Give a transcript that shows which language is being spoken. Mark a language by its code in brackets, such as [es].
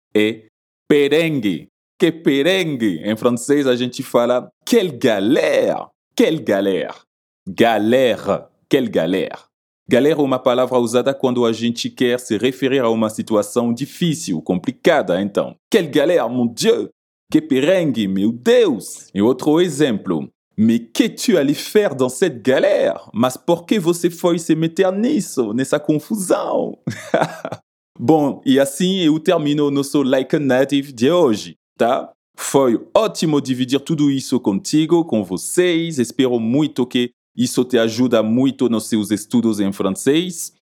[pt] É perengue. Que perengue! Em francês a gente fala [fr] quel galère! Quel galère! Galère. Quelle galère. [pt] Galère é uma palavra usada quando a gente quer se referir a uma situação difícil, complicada, então. [fr] Quelle galère, mon Dieu! [pt] Que perengue, meu Deus! E outro exemplo. [fr] Mais qu'es-tu allé faire dans cette galère? [pt] Mas por que você foi se meter nisso, nessa confusão? Bom, e assim eu termino o nosso Like a Native de hoje, tá? Foi ótimo dividir tudo isso contigo, com vocês. Espero muito que isso te ajuda muito nos seus estudos em francês.